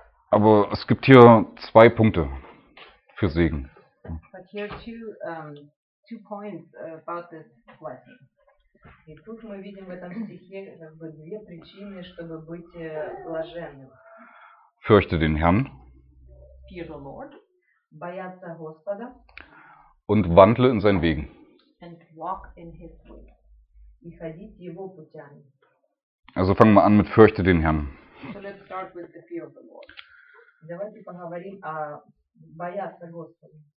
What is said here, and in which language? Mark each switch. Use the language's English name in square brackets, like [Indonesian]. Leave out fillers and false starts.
[German] Aber es gibt hier zwei Punkte für Segen. [English] But here are two points about this blessing. [Russian] И тут мы видим в этом стихе как бы две причины, чтобы быть блаженным. [German] Fürchte den Herrn. [English] Fear the Lord. [Russian] Бояться Господа. [German] Und wandle in seinen Wegen. [English] And walk in his way. [Russian] И ходить его путями. [German] Also fangen wir an mit fürchte den Herrn. [English] So let's start with the fear of the Lord. [Russian] Давайте поговорим о бояться Господа.